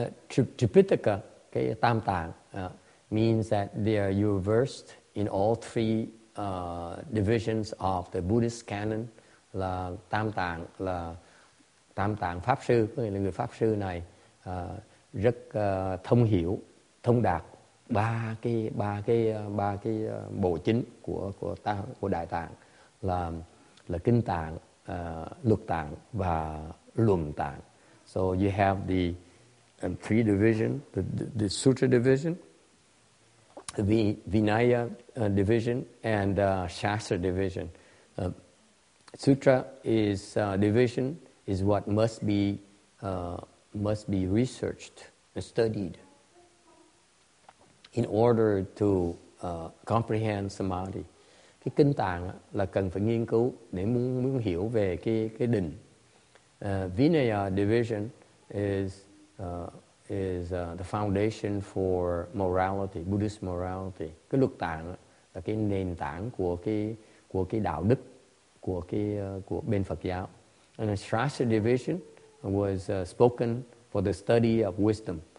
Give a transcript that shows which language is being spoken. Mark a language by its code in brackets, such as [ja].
[en] Tripitaka, [vi] cái Tam Tạng, [en] means that they are universed in all three divisions of the Buddhist canon. [vi] Là Tam Tạng, là Tam Tạng Pháp Sư, có nghĩa là người Pháp Sư này rất thông hiểu, thông đạt ba cái bộ chính của Đại Tạng, là Kinh Tạng, Luật Tạng và Luận Tạng. [en] So you have the three division, the Sutra division, the Vinaya division, and the Shastra division. Sutra is division is what must be researched and studied in order to comprehend samadhi. [vi] Cái kinh tạng là cần phải nghiên cứu để muốn hiểu về cái định. [en] Vinaya division is the foundation for morality, Buddhist morality. [vi] Cái luật tạng là cái nền tảng của cái đạo đức của bên Phật giáo. [en] And a Shastra division was spoken for the study of wisdom.